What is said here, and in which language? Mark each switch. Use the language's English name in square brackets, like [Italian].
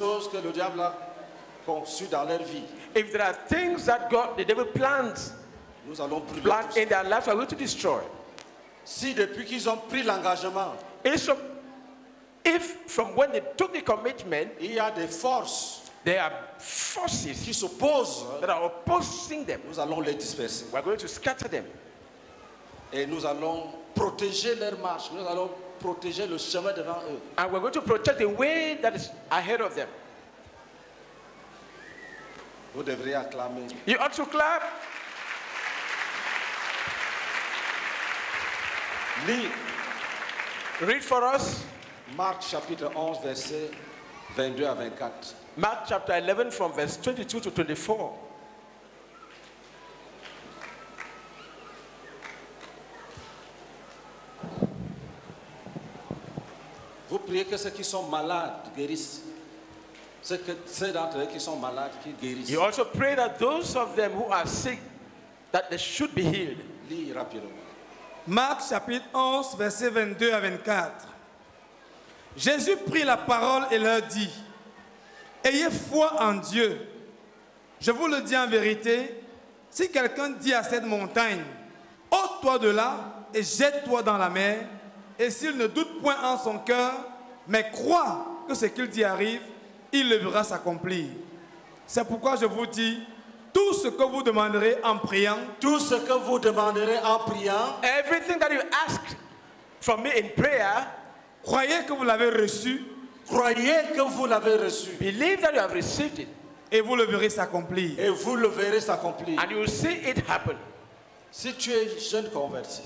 [French] que le diable a conçu dans leur vie. [English] If there are things that God, the devil plans, [French] nous allons brûler [English] in their lives, we are going to destroy. [French] Si depuis qu'ils ont pris l'engagement, [English] if from when they took the commitment, [French] il y a des forces, [English] there are forces [French] qui s'opposent, [English] that are opposing them, [French] nous allons les disperser. [English] We are going to scatter them. [French] Et nous allons protéger leur marche. Nous allons protéger le chemin devant eux. [English] And we're going to protect the way that is ahead of them. [French] Vous devriez acclamer. [English] You ought to clap. Read for us. [French] Mark chapter 11, verset 22 à 24. [English] Mark chapter 11, from verse 22 to 24. [French] Vous priez que ceux qui sont malades guérissent. Ceux d'entre eux qui sont malades qui guérissent. [English] You also pray that those of them who are sick, that they should be healed. [French] Lis rapidement. Marc chapitre 11, versets 22 à 24. Jésus prit la parole et leur dit, « Ayez foi en Dieu. Je vous le dis en vérité, si quelqu'un dit à cette montagne, « Ôte-toi de là et jette-toi dans la mer », et s'il ne doute point en son cœur, mais croit que ce qu'il dit arrive, il le verra s'accomplir. C'est pourquoi je vous dis, tout ce que vous demanderez en priant, tout ce que vous demanderez en priant, [English] everything that you ask from me in prayer, [French] croyez que vous l'avez reçu, croyez que vous l'avez reçu, [English] believe that you have received it, [French] et vous le verrez s'accomplir, et vous le verrez s'accomplir, [English] and you will see it happen. [French] Si tu es jeune converti,